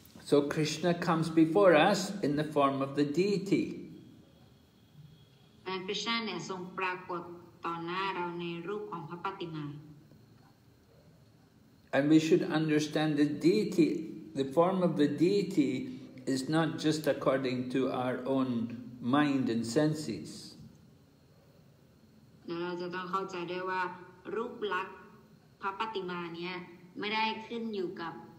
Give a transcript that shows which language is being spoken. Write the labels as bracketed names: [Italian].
[English] So Krishna comes before us in the form of the deity. [Thai] Krishna เนี่ยทรงปรากฏต่อหน้าเราในรูปของพระปฏิมา [English] And we should understand the deity, the form of the deity is not just according to our own mind and senses. [Thai] เราจะต้องเข้าใจได้ว่ารูปลักษณ์พระปฏิมาเนี่ยไม่ได้ขึ้นอยู่กับ